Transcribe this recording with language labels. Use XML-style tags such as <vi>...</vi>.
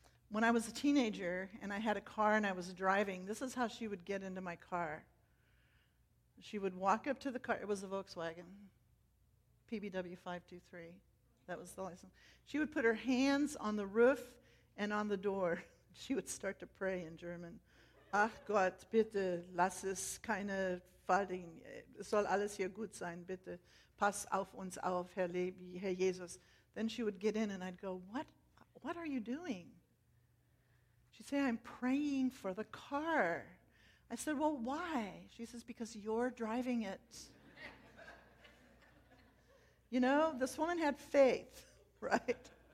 <en>When I was a teenager and I had a car and I was driving, this is how she would get into my car. She would walk up to the car. It was a Volkswagen, PBW 523. That was the license. She would put her hands on the roof and on the door. She would start to pray in German.</en> <de>Ach Gott, bitte, lass es keine Fallen. Soll alles hier gut sein, bitte. Pass auf uns auf, Herr Jesus.</de> <en>Then she would get in and I'd go, what are you doing? She'd say, I'm praying for the car. I said, well, why? She says, because you're driving it. You know, this woman had faith, right?</en>